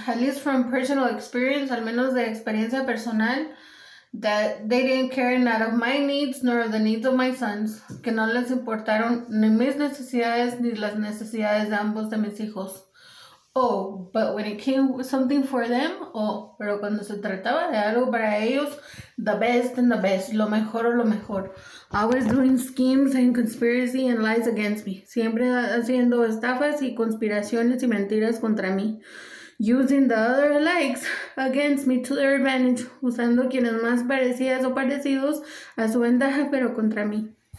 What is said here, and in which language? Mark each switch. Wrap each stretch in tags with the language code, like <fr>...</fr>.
<en>At least from personal experience,</en> <es>al menos de experiencia personal,</es> <en>that they didn't care not of my needs nor the needs of my sons.</en> <es>Que no les importaron ni mis necesidades ni las necesidades de ambos de mis hijos.</es> <en>Oh, but when it came something for them,</en> <es>oh, pero cuando se trataba de algo para ellos,</es> <en>the best and the best,</en> <es>lo mejor o lo mejor.</es> <en>Always doing schemes and conspiracy and lies against me.</en> <es>Siempre haciendo estafas y conspiraciones y mentiras contra mí.</es> <en>Using the other likes against me to their advantage.</en> <es>Usando quienes más parecidas o parecidos a su ventaja, pero contra mí.</es>